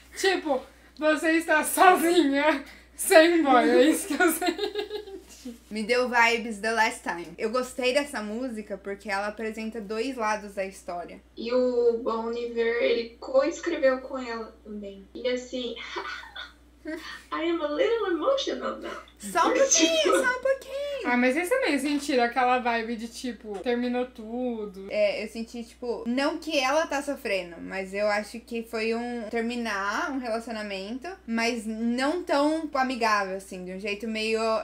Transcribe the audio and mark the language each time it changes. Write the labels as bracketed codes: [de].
[pt] Tipo, você está sozinha, sem boy, é isso que eu sei. Me deu vibes The Last Time. Eu gostei dessa música porque ela apresenta dois lados da história. E o Bon Iver, ele co-escreveu com ela também. E assim, [en] I am a little emotional now. [pt] Só um Porque, tipo. pouquinho, só um pouquinho. Ah, mas vocês também sentiram aquela vibe de tipo, terminou tudo. É, eu senti, tipo, não que ela tá sofrendo, mas eu acho que foi um terminar um relacionamento, mas não tão amigável, assim, de um jeito meio.